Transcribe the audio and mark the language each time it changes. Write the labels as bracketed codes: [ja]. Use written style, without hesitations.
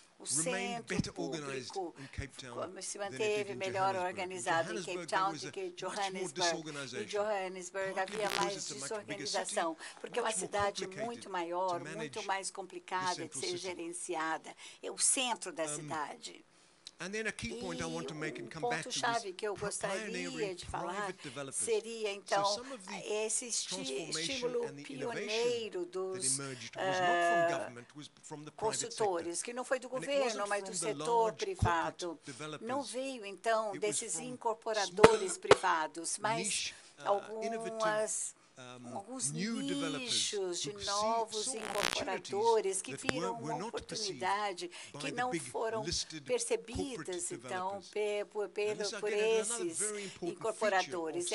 [pt] o centro público. Se manteve melhor organizado em Cape Town do que em Johannesburg. Em Johannesburg havia mais desorganização, porque é uma cidade muito maior, muito mais complicada de ser gerenciada. É o centro da cidade. [en] And then a key point I want to make and come um back to this, [pt] que eu gostaria de falar, [en] private developers. [pt] Seria, então, [en] so some of the transformation and the innovation [pt] dos, [en] that emerged was not from government, was from the private sector. [pt] Que não foi do governo, mas do setor privado. Não veio, então, desses incorporadores privados, mas alguns nichos de novos incorporadores que viram uma oportunidade que não foram percebidas, então, por esses incorporadores.